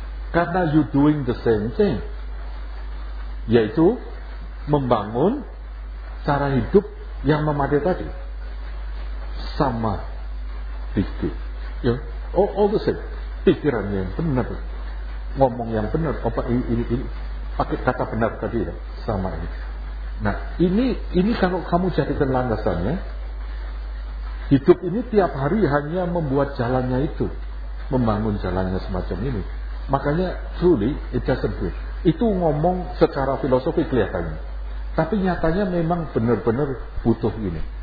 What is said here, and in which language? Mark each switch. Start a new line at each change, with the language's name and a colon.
Indonesian: Karena you doing the same thing, yaitu membangun cara hidup yang memadai tadi, sama pikir, ya, all the same, pikiran yang benar, ngomong yang benar, apa ini pakai kata benar tadi, ya. Sama ini. Nah, ini kalau kamu jadikan landasannya, hidup ini tiap hari hanya membuat jalannya itu, membangun jalannya semacam ini.
English: Makanya truly it doesn't work.
Indonesian: Itu ngomong secara filosofi kelihatannya, tapi nyatanya memang benar-benar butuh ini.